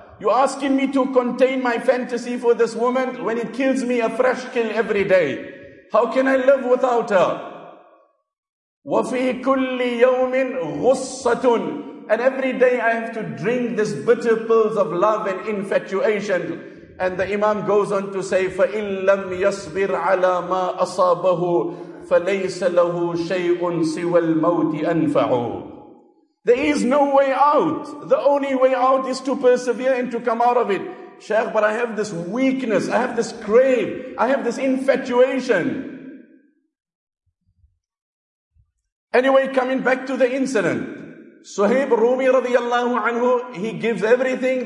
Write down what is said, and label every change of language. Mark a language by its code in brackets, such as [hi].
[en] You're asking me to contain my fantasy for this woman when it kills me a fresh kill every day. How can I live without her? [ar] وَفِي كُلِّ يَوْمٍ غُصَّةٌ. [en] And every day I have to drink this bitter pills of love and infatuation. And the Imam goes on to say, [ar] فَإِنْ لَمْ يَصْبِرْ عَلَى مَا أَصَابَهُ فَلَيْسَ لَهُ شَيْءٌ سِوَى الْمَوْتِ أَنْفَعُ. [en] There is no way out. The only way out is to persevere and to come out of it. Shaykh, but I have this weakness. I have this crave. I have this infatuation. Anyway, coming back to the incident. Suhaib Rumi radiallahu anhu, he gives everything.